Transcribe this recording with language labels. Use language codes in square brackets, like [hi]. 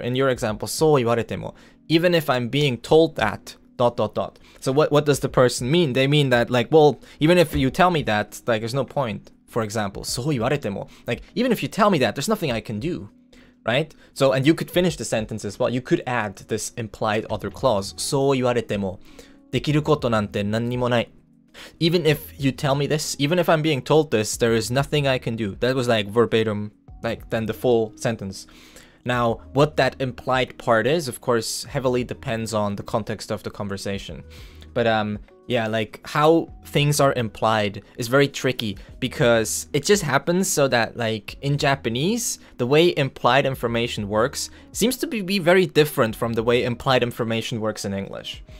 [en] In your example, [ja] そう言われても, [en] even if I'm being told that... dot dot dot. So what does the person mean? They mean that, like, well, even if you tell me that, like, there's no point. For example, [ja] そう言われても, [en] like, even if you tell me that, there's nothing I can do, right? So, and you could finish the sentence as well. You could add this implied other clause. [ja] そう言われてもできることなんて何にもない. [en] Even if you tell me this, even if I'm being told this, there is nothing I can do. That was like verbatim, like then the full sentence. Now, what that implied part is, of course, heavily depends on the context of the conversation. But yeah, like how things are implied is very tricky because it just happens so that, like, in Japanese, the way implied information works seems to be very different from the way implied information works in English.